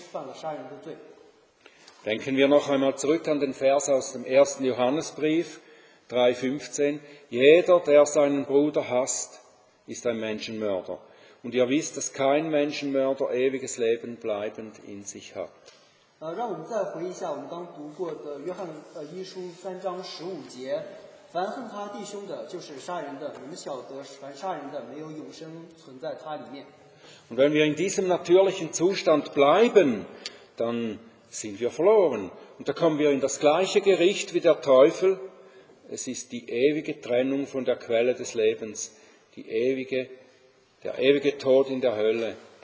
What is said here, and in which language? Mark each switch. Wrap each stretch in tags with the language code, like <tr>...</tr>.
<zh>我们每个人都被魔鬼撒旦引诱，他是我们的父。我们从按照我们的罪性，我们就是撒旦的孩子，我们像他一样都是犯了杀人的罪。</zh> <de>Denken wir noch einmal zurück an den Vers aus dem 1. Johannesbrief 3,15. Jeder, der seinen Bruder hasst, ist ein Menschenmörder. Und ihr wisst, dass kein Menschenmörder ewiges Leben bleibend in sich hat.</de> <zh>让我们再回忆一下我们刚读过的约翰一书三章十五节，凡恨他弟兄的，就是杀人的。我们晓得凡杀人的，没有永生存在他里面。</zh> <de>Und wenn wir in diesem natürlichen Zustand bleiben, dann sind wir verloren. Und da kommen wir in das gleiche Gericht wie der Teufel. Es ist die ewige Trennung von der Quelle des Lebens, der ewige Tod in der Hölle.</de>